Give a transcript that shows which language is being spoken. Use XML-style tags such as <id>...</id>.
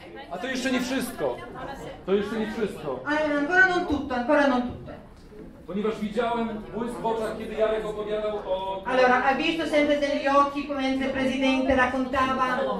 <pl>A to jeszcze nie wszystko. To jeszcze nie wszystko.</pl> <it>Ale ancora non tutto, ancora non tutto.</it> <pl>Ponieważ widziałem błysk w oczach, kiedy Jarek opowiadał o...</pl> <it>Allora, hai visto sempre degli occhi, come il presidente raccontava?</it>